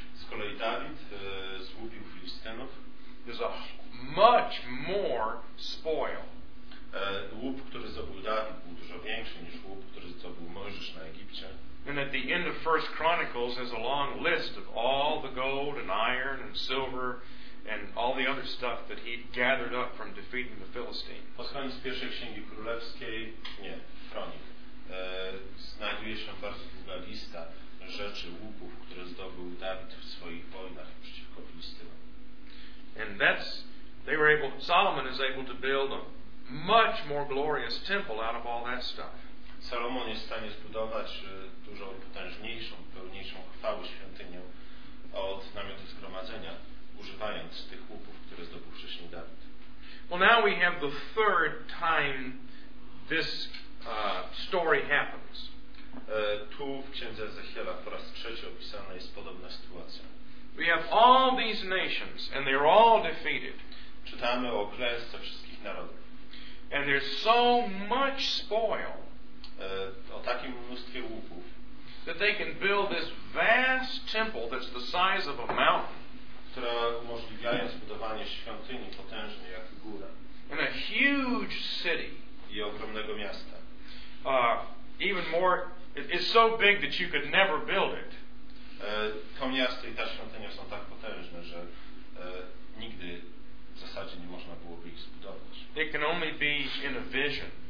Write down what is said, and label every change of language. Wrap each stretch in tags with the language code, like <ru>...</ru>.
<pl>z kolei David złupił Filistynów,</pl> <en>is a much more spoil.</en> <pl>Łup, który zdobył David, był dużo większy niż łup, który zdobył Mojżesz na Egipcie.</pl> <en>And at the end of 1 Chronicles is a long list of all the gold and iron and silver and all the other stuff that he gathered up from defeating the Philistines.</en> <pl>Pod koniec pierwszej księgi królewskiej, nie, Chronik, znajduje się bardzo długa lista rzeczy łupów, które zdobył Dawid w swoich wojnach przeciwko Filistynom.</pl> <en>And that's, they were able, Solomon is able to build a much more glorious temple out of all that stuff.</en> <pl>Salomon jest w stanie zbudować dużo potężniejszą, pełniejszą chwałę świątynię od namiotu zgromadzenia, używając tych łupów, które zdobył wcześniej Dawid.</pl> <en>Well, now we have the third time this story happens.</en> <pl>Tu w księdze Ezechiela po raz trzeci opisana jest podobna sytuacja.</pl> <en>We have all these nations and they're all defeated.</en> <pl>Czytamy o klęsce wszystkich narodów.</pl> <en>And there's so much spoil.</en> <pl>O takim mnóstwie łupów,</pl> <en>that they can build this vast temple that's the size of a mountain,</en> <pl>która umożliwiają zbudowanie świątyni potężnej jak góra,</pl> <en>and a huge city,</en> <pl>i ogromnego miasta,</pl> <en>even more, it's so big that you could never build it.</en> <pl>To miasto i ta świątynia są tak potężne, że nigdy w zasadzie nie można byłoby ich zbudować.</pl> <en>It can only be in a vision.</en>